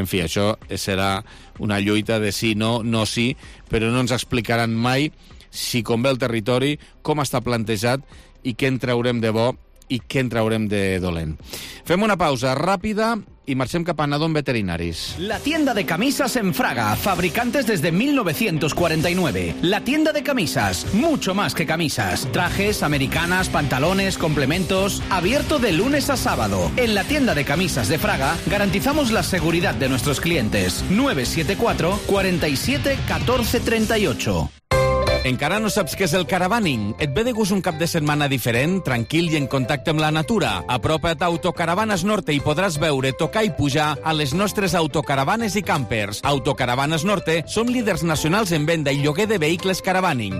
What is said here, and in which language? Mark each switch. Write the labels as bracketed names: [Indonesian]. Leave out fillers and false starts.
[Catalan] En fi, això serà una lluita de sí, no, no sí, però no ens explicaran mai si convé el territori, com està plantejat i què en traurem de bo i què en traurem de dolent. Fem una pausa ràpida y marchem cap a Nadón Veterinaris. [Spanish] La tienda de camisas en Fraga, fabricantes desde 1949. La tienda de camisas, mucho más que camisas. Trajes, americanas, pantalones, complementos, abierto de lunes a sábado. En la tienda de camisas de Fraga, garantizamos la seguridad de nuestros clientes. 974-47-1438. [Catalan] Encara no saps què és el caravaning? Et ve de gust un cap de setmana diferent, tranquil i en contacte amb la natura? Apropa't a Autocaravanes Norte i podràs veure, tocar i pujar a les nostres autocaravanes i campers. Autocaravanes Norte, som líders nacionals en venda i lloguer de vehicles caravaning.